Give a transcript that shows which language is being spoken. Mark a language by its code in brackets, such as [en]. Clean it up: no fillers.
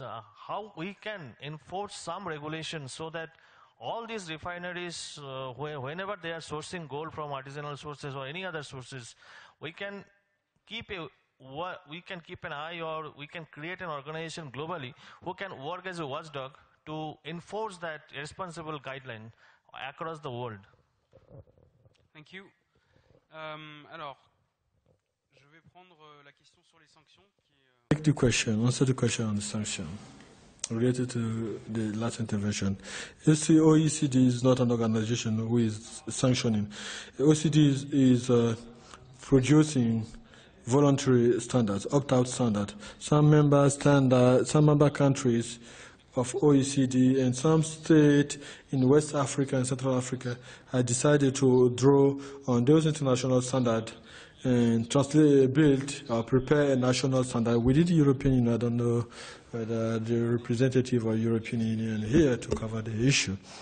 [en] How we can enforce some regulations so that all these refineries, whenever they are sourcing gold from artisanal sources or any other sources, we can keep an eye or we can create an organization globally who can work as a watchdog to enforce that responsible guideline across the world. Thank you. [fr] Alors, je vais prendre la question sur les sanctions. [en] Answer the question on the sanction related to the last intervention. You see, OECD is not an organization who is sanctioning. OECD is producing voluntary standards, opt-out standards. Some member countries of OECD and some state in West Africa and Central Africa have decided to draw on those international standards and translate, build or prepare a national standard within the European Union. I don't know whether the representative of European Union here to cover the issue.